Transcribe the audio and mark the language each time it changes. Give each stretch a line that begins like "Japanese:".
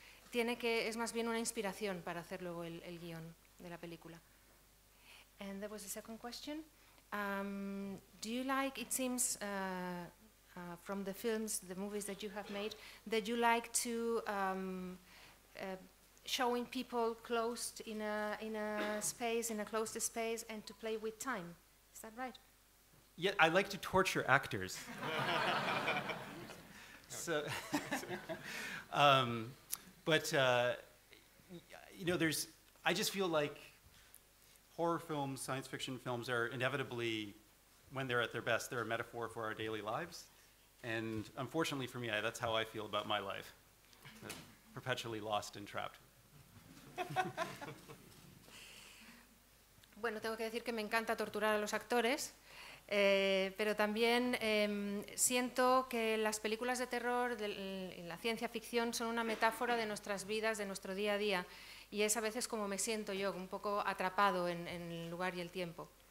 Spanish: Tiene que, es más bien una inspiración para hacer luego el guión de la película.
English: And there was a second question. Do you like, it seems from the films, the movies that you have made, that you like to showing people closed in a space, in a closed space, and to play with time. Is that right? Yeah, I like to torture actors. So, I just feel like horror films, science fiction films are inevitably, when they're at their best, they're a metaphor for our daily lives. And unfortunately for me, that's how I feel about my life, perpetually lost and trapped.
Spanish: Bueno, tengo que decir que me encanta torturar a los actores. Pero también siento que las películas de terror y la ciencia ficción son una metáfora de nuestras vidas, de nuestro día a día, y es a veces como me siento yo, un poco atrapado en el lugar y el tiempo.